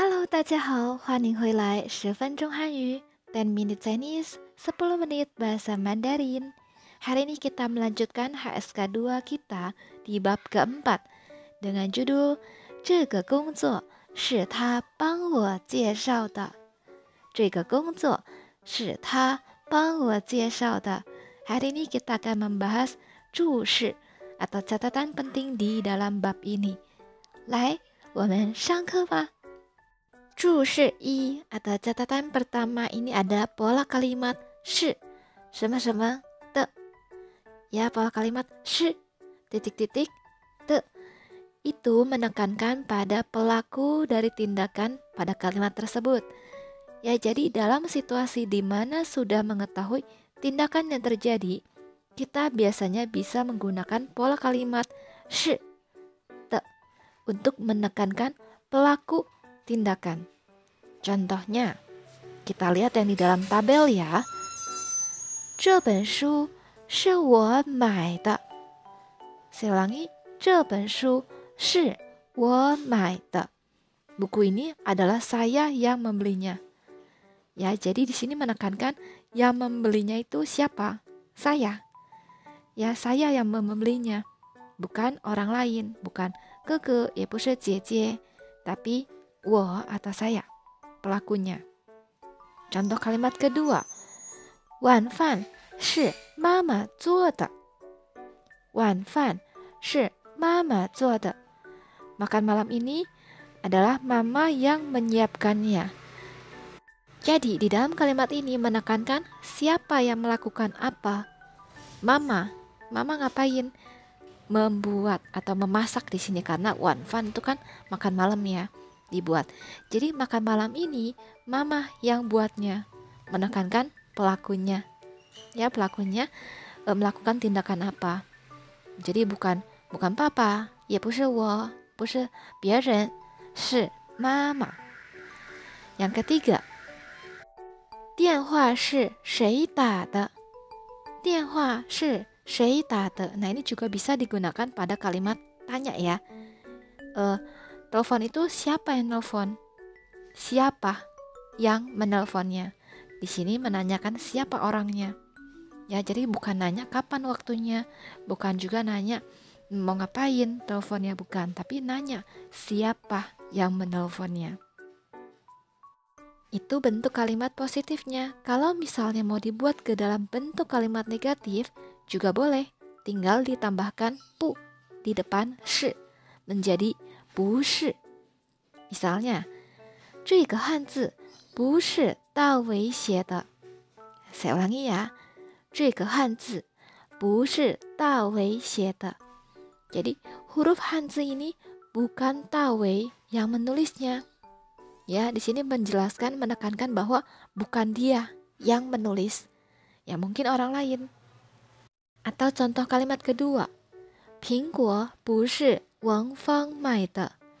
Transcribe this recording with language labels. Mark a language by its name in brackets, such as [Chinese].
[Chinese] 大家好，欢迎回来十分钟韩语 [English] 10 minute Chinese [Indonesian] 10 menit bahasa Mandarin. Hari ini kita melanjutkan HSK 2 kita di bab keempat dengan judul [Chinese] 这个工作是他帮我介绍的。这个工作是他帮我介绍的。 [Indonesian] Hari ini kita akan membahas 注释 atau catatan penting di dalam bab ini. [Chinese] 来，我们上课吧。 [Indonesian] 注释一 atau catatan pertama ini ada pola kalimat 是什么什么的ya, pola kalimat 是titik titik 的 itu menekankan pada pelaku dari tindakan pada kalimat tersebut ya. Jadi dalam situasi di mana sudah mengetahui tindakan yang terjadi, kita biasanya bisa menggunakan pola kalimat 是的untuk menekankan pelakutindakan. Contohnya, kita lihat yang di dalam tabel ya. [Chinese] 这本书是我买的。 [Indonesian] Saya ulangi, [Chinese] 这本书是我买的。 [Indonesian] Buku ini adalah saya yang membelinya. Ya, jadi di sini menekankan yang membelinya itu siapa? Saya. Ya, saya yang membelinya. Bukan orang lain, bukan 哥哥, [Chinese] 也不是姐姐, [Indonesian] tapi我 atau saya, pelakunya. Contoh kalimat kedua, [Chinese] 晚饭是妈妈做的。晚饭是妈妈做的。 [Indonesian] Makan malam ini adalah mama yang menyiapkannya. Jadi di dalam kalimat ini menekankan siapa yang melakukan apa. Mama, mama ngapain? Membuat atau memasak di sini, karena 晚饭 itu kan makan malam ya. Dibuat. Jadi makan malam ini mama yang buatnya, menekankan pelakunya. Ya, pelakunya melakukan tindakan apa. Jadi bukan papa, [Chinese] 也不是我, 不是别人, 是妈妈. [Indonesian] Yang ketiga, [Chinese] 电话是谁打的? 电话是谁打的? [Indonesian] Nah, ini juga bisa digunakan pada kalimat tanya ya. Telepon itu siapa yang telepon? Siapa yang menelponnya? Di sini menanyakan siapa orangnya. Ya, jadi bukan nanya kapan waktunya, bukan juga nanya mau ngapain teleponnya, bukan, tapi nanya siapa yang menelponnya. Itu bentuk kalimat positifnya. Kalau misalnya mau dibuat ke dalam bentuk kalimat negatif juga boleh, tinggal ditambahkan pu di depan shi menjadi不是. [Chinese] Misalnya, 这个汉字不是道维写的。 [Indonesian] Saya ulangi ya, [Chinese] 这个汉字不是道维写的。 [Indonesian] Jadi, huruf 汉字 ini bukan 道维 yang menulisnya. Ya, di sini menjelaskan, menekankan bahwa bukan dia yang menulis. Ya, mungkin orang lain. Atau contoh kalimat kedua, 苹果不是王芳买的。